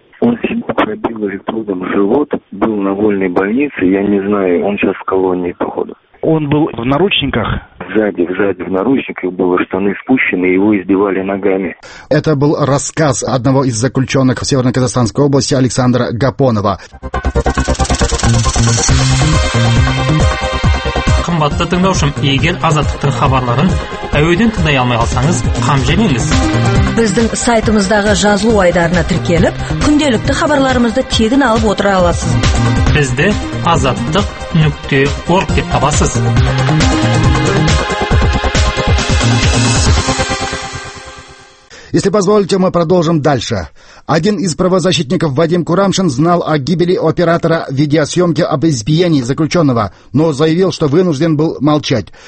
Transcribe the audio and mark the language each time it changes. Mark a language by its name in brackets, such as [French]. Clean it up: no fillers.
[Russian] Он себе пробил электродом живот, был на вольной больнице, я не знаю, он сейчас в колонии, походу. Он был в наручниках? Сзади в наручниках, было штаны спущены, его избивали ногами. Это был рассказ одного из заключенных в Северно-Казахстанской области Александра Гапонова. [Kazakh] Қымбатты тыңдаушым, егер азаттықтың хабарларын әуеден тыңдай алмай қалсаңыз, қам жемеңіз. Біздің сайтымыздағы жазылу айдарына тіркеліп, күнделікті хабарларымызды тегін алып отыра аласыз. Бізді azattık.org деп табасыз. [Russian] Если позволите, мы продолжим дальше. Один из правозащитников Вадим Курамшин знал о гибели оператора видеосъемки об избиении заключенного, но заявил, что вынужден был молчать.